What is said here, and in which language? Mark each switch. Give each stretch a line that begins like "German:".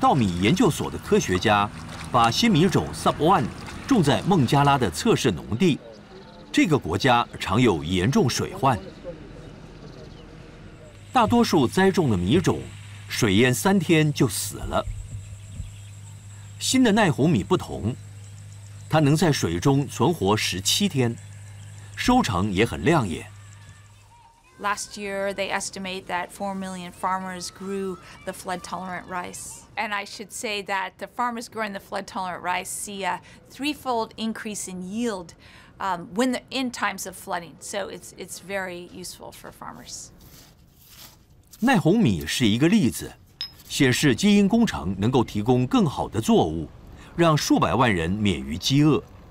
Chinese: 2010年，国际稻米研究所的科学家把新米种 Sub 1种在孟加拉的测试农地。这个国家常有严重水患，大多数栽种的米种水淹三天就死了。新的耐红米不同，它能在水中存活17天，收成也很亮眼。
English: Last year, they estimate that 4 million farmers grew the flood-tolerant rice. And I should say that the farmers growing the flood-tolerant rice see a threefold increase in yield when they're in times of flooding. So it's very useful for farmers.
Chinese: 耐红米是一个例子，显示基因工程能够提供更好的作物，让数百万人免于饥饿。